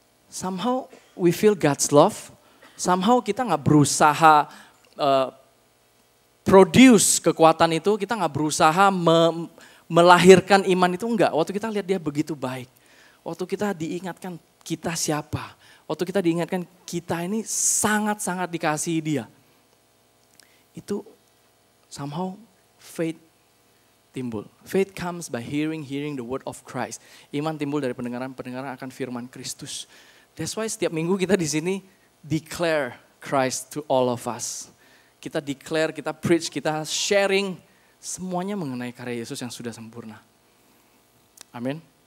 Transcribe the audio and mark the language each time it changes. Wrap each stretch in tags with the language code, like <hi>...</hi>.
<en>Somehow we feel God's love. Somehow</en> <id>kita gak berusaha</id> <en>produce</en> <id>kekuatan itu. Kita gak berusaha melahirkan iman itu. Enggak. Waktu kita lihat dia begitu baik. Waktu kita diingatkan kita siapa. Waktu kita diingatkan kita ini sangat-sangat dikasihi dia. Itu</id> <en>somehow faith</en> <id>timbul.</id> <en>Faith comes by hearing the word of Christ.</en> <id>Iman timbul dari pendengaran akan firman Kristus.</id> <en>That's why</en> <id>setiap minggu kita di sini</id> <en>declare Christ to all of us.</en> <id>Kita declare, kita preach, kita sharing semuanya mengenai karya Yesus yang sudah sempurna. Amin.</id>